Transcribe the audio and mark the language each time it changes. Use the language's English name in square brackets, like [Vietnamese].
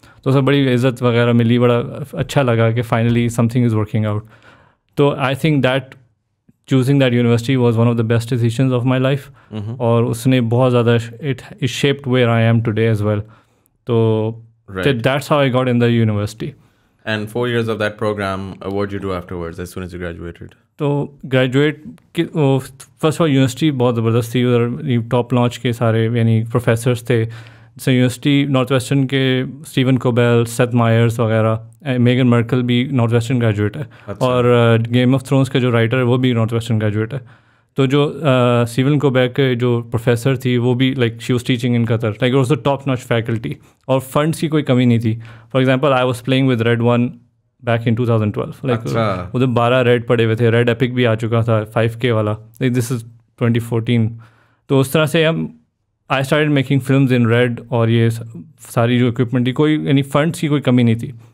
[Urdu] تو سب بڑی عزت وغیرہ ملی, بڑا اچھا لگا کہ [English] Finally something is working out. تو I think that choosing that university was one of the best decisions of my life, [Urdu] اور اس نے بہت زیادہ [English] It is shaped where I am today as well. تو that's how I got in the university. And 4 years of that program, what did you do afterwards, as soon as you graduated? So, graduate, first of all, university was very interesting. There were top-notch professors. So, university, Northwestern, Stephen Cobell, Seth Meyers, etc. Meghan Merkel is also a Northwestern graduate. And Game of Thrones, the writer, is also a Northwestern graduate. So, Stephen Cobell, the professor, she was teaching in Qatar. Like, it was a top-notch faculty. [Urdu] اور funds کی کوئی کمی نہیں تھی. [English] for example I was playing with Red One back in 2012, [Urdu] like ادھر 12 red پڑے ہوئے تھے, ریڈ ایپک بھی آ چکا تھا 5K والا, [English] Like this is 2014. [Urdu] تو اس طرح سے ہم [English] I started making films in Red, [Urdu] اور یہ ساری جو اکوپمنٹ تھی کوئی یعنی فنڈس کی کوئی کمی نہیں تھی.